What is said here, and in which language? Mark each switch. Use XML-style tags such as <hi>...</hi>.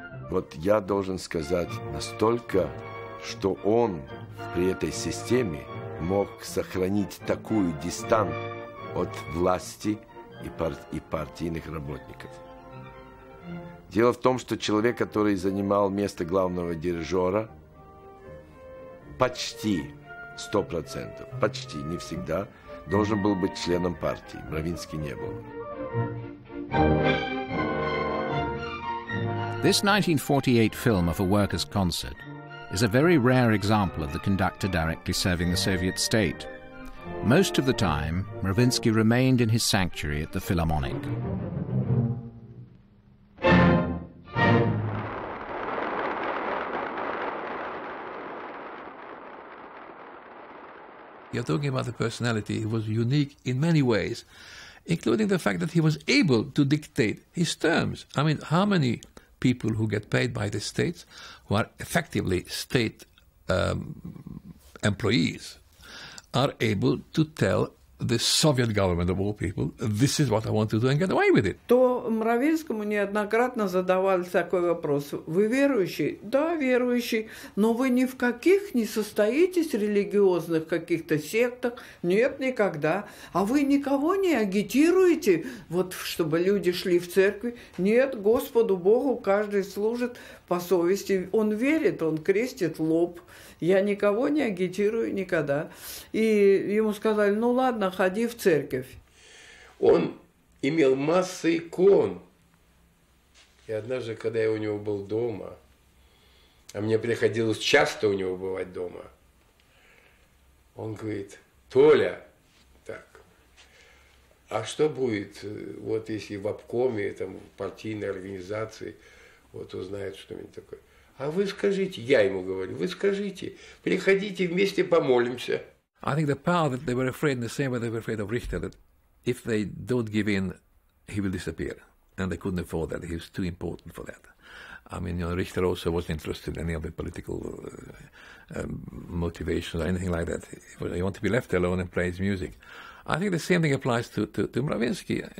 <ru>Вот я должен сказать настолько, что он при этой системе мог сохранить такую дистанцию от власти и партийных работников. Дело в том, что человек, который занимал место главного дирижера, почти 100%, почти не всегда, должен был быть членом партии. Мравинский не был.</ru> <en>This 1948 film of a workers' concert is a very rare example of the conductor directly serving the Soviet state. Most of the time, Mravinsky remained in his sanctuary at the Philharmonic. You're talking about the personality. He was unique in many ways, including the fact that he was able to dictate his terms. I mean, how many people who get paid by the state, who are effectively state employees, are able to tell the Soviet government of all people, this is what I want to do and get away with it.</en> <ru>То Мравинскому неоднократно задавали такой вопрос. Вы верующий? Да, верующий. Но вы ни в каких не состоитесь религиозных каких-то сектах? Нет, никогда. А вы никого не агитируете, вот чтобы люди шли в церковь? Нет, Господу Богу каждый служит по совести. Он верит, он крестит лоб. Я никого не агитирую никогда. И ему сказали, ну ладно, ходи в церковь. Он имел массу икон. И однажды, когда я у него был дома, а мне приходилось часто у него бывать дома, он говорит, Толя, так, А что будет, вот если в обкоме, там, в партийной организации, вот узнают что-нибудь такое? А вы скажите, я ему говорю, вы скажите, приходите, вместе помолимся.</ru> <en>I think the power that they were afraid, in the same way they were afraid of Richter, that if they don't give in, he will disappear. And they couldn't afford that. He was too important for that. I mean, you know, Richter also wasn't interested in any of the political motivations or anything like that. He wanted to be left alone and play his music. I think the same thing applies to Mravinsky.</en>